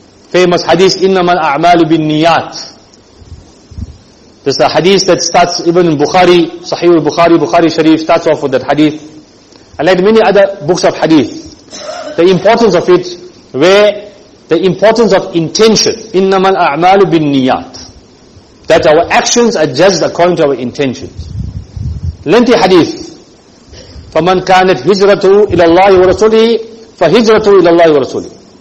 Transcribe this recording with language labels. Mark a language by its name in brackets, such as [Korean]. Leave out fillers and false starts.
[English] Famous hadith, [Arabic] إِنَّمَا الْأَعْمَالُ بِالنِّيَّاتِ. [English] This is a hadith that starts even in Bukhari, Sahih al-Bukhari, Bukhari Sharif starts off with that hadith. And like many other books of hadith, the importance of it, where the importance of intention, [Arabic] إِنَّمَا الْأَعْمَالُ بِالنِّيَّاتِ, [English] that our actions are judged according to our intentions. Lengthy hadith, [Arabic] فَمَنْ كَانَتْ هِجْرَةُ إِلَى اللَّهِ وَرَسُولِهِ فَهِجْرَةُ إِلَى اللَّهِ وَرَسُولِهِ.